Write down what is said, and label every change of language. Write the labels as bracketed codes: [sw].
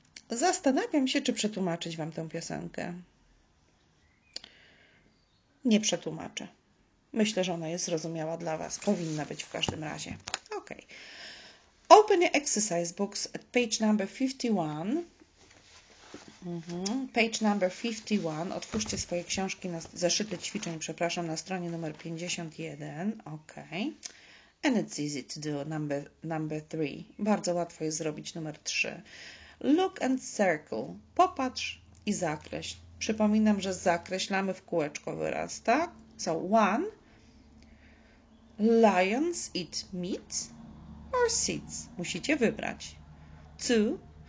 [pl] Zastanawiam się, czy przetłumaczyć wam tę piosenkę. Nie przetłumaczę. Myślę, że ona jest zrozumiała dla was. Powinna być w każdym razie. Ok. [en] Open your exercise books at page number 51. Page number 51. [pl] Otwórzcie swoje książki, zeszyty ćwiczeń, przepraszam, na stronie numer 51. [en] Ok. And it's easy to do number 3. [pl] Bardzo łatwo jest zrobić numer 3. [en] Look and circle. [pl] Popatrz i zakreśl. Przypominam, że zakreślamy w kółeczko wyraz, tak? [en] So, one. Lions eat meat or seeds. [pl] Musicie wybrać. [en] Two.